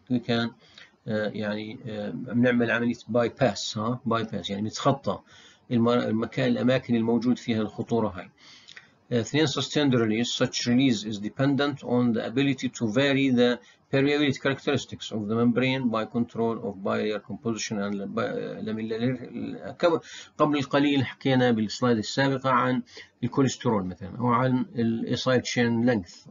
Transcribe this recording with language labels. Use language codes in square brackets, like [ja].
[en] We can [ar] يعني بنعمل عملية bypass، ها bypass يعني نتخطى المكان الأماكن الموجود فيها الخطورة هاي. اثنين [en] sustained release. Such release is dependent on the ability to vary the permeability characteristics of the membrane by control of bilayer composition and lamellar. [ar] قبل القليل حكينا بالسلايد السابقة عن الكوليسترول مثلا أو عن الأسايد [en] chain length.